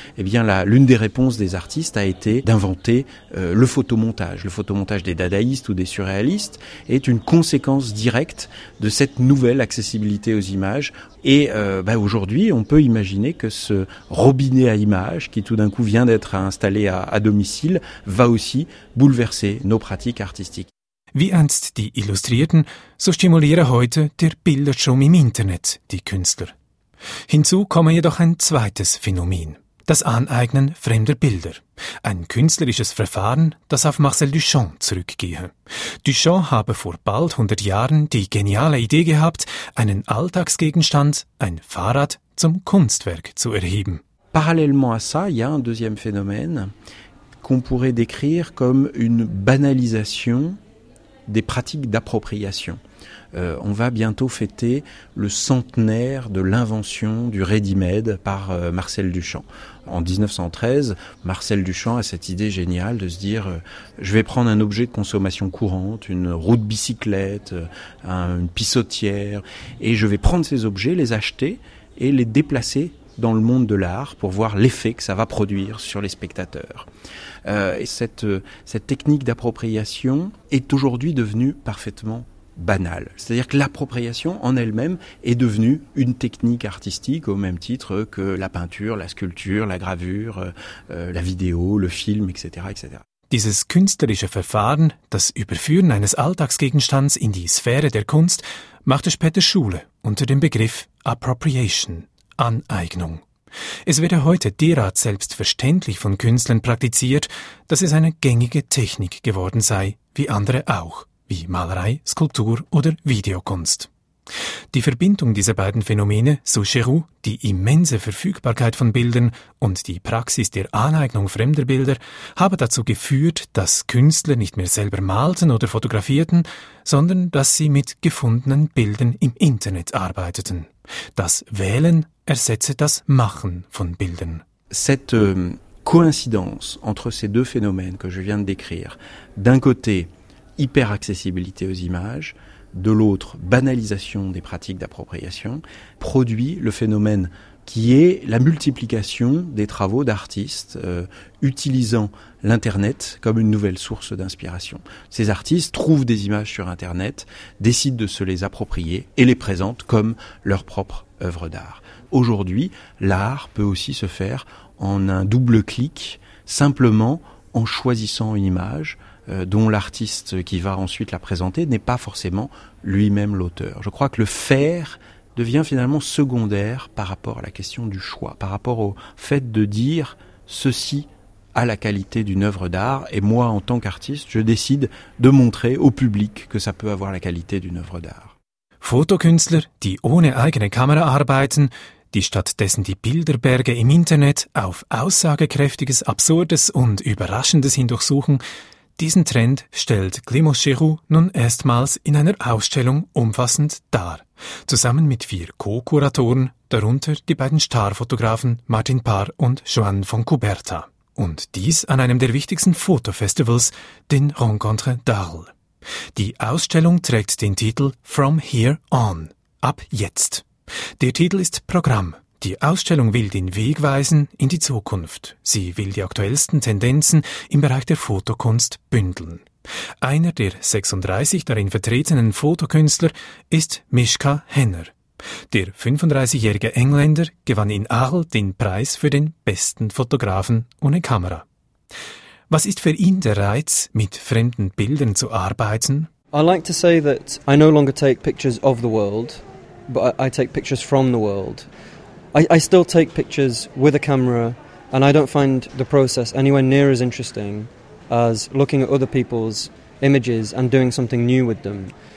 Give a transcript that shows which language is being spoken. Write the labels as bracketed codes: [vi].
[fr] Eh bien, l'une des réponses des artistes a été d'inventer le photomontage. Le photomontage des dadaïstes ou des surréalistes est une conséquence directe de cette nouvelle accessibilité aux images. Et aujourd'hui, on peut imaginer que ce robinet à images, qui tout d'un coup vient d'être installé à domicile, va aussi bouleverser nos pratiques artistiques. [de] Wie einst die Illustrierten, so stimuliere heute der Bilderstrom im Internet die Künstler. Hinzu komme jedoch ein zweites Phänomen. Das Aneignen fremder Bilder. Ein künstlerisches Verfahren, das auf Marcel Duchamp zurückgehe. Duchamp habe vor bald 100 Jahren die geniale Idee gehabt, einen Alltagsgegenstand, ein Fahrrad, zum Kunstwerk zu erheben. [fr] Parallèlement à ça, il y a un deuxième phénomène, qu'on pourrait décrire comme une banalisation des pratiques d'appropriation. On va bientôt fêter le centenaire de l'invention du ready-made par Marcel Duchamp. En 1913, Marcel Duchamp a cette idée géniale de se dire « Je vais prendre un objet de consommation courante, une roue de bicyclette, une pissotière, et je vais prendre ces objets, les acheter et les déplacer dans le monde de l'art pour voir l'effet que ça va produire sur les spectateurs. » Cette technique d'appropriation est aujourd'hui devenue parfaitement banal. C'est-à-dire que l'appropriation en elle-même est devenue une technique artistique au même titre que la peinture, la sculpture, la gravure, la vidéo, le film, etc., etc. [de] Dieses künstlerische Verfahren, das Überführen eines Alltagsgegenstands in die Sphäre der Kunst, machte später Schule unter dem Begriff Appropriation, Aneignung. Es wird ja heute derart selbstverständlich von Künstlern praktiziert, dass es eine gängige Technik geworden sei, wie andere auch, wie Malerei, Skulptur oder Videokunst. Die Verbindung dieser beiden Phänomene, so Giroux, die immense Verfügbarkeit von Bildern und die Praxis der Aneignung fremder Bilder, habe dazu geführt, dass Künstler nicht mehr selber malten oder fotografierten, sondern dass sie mit gefundenen Bildern im Internet arbeiteten. Das Wählen ersetze das Machen von Bildern. [fr] Cette coïncidence entre ces deux phénomènes que je viens de décrire, d'un côté hyper-accessibilité aux images, de l'autre, banalisation des pratiques d'appropriation, produit le phénomène qui est la multiplication des travaux d'artistes utilisant l'Internet comme une nouvelle source d'inspiration. Ces artistes trouvent des images sur Internet, décident de se les approprier et les présentent comme leur propre œuvre d'art. Aujourd'hui, l'art peut aussi se faire en un double clic, simplement en choisissant une image dont l'artiste qui va ensuite la présenter n'est pas forcément lui-même l'auteur. Je crois que le faire devient finalement secondaire par rapport à la question du choix, par rapport au fait de dire ceci a la qualité d'une œuvre d'art et moi, en tant qu'artiste, je décide de montrer au public que ça peut avoir la qualité d'une œuvre d'art. [de] Fotokünstler, die ohne eigene Kamera arbeiten, die stattdessen die Bilderberge im Internet auf aussagekräftiges, absurdes und überraschendes hindurchsuchen, diesen Trend stellt Clément Giroux nun erstmals in einer Ausstellung umfassend dar, zusammen mit 4 Co-Kuratoren, darunter die beiden Starfotografen Martin Parr und Joan von Cuberta. Und dies an einem der wichtigsten Fotofestivals, den Rencontre d'Arles. Die Ausstellung trägt den Titel «From Here On» – «Ab jetzt». Der Titel ist Programm. Die Ausstellung will den Weg weisen in die Zukunft. Sie will die aktuellsten Tendenzen im Bereich der Fotokunst bündeln. Einer der 36 darin vertretenen Fotokünstler ist Mischa Henner. Der 35-jährige Engländer gewann in Arles den Preis für den besten Fotografen ohne Kamera. Was ist für ihn der Reiz, mit fremden Bildern zu arbeiten? [en] I like to say that I no longer take pictures of the world, but I take pictures from the world. I still take pictures with a camera, and I don't find the process anywhere near as interesting as looking at other people's images and doing something new with them.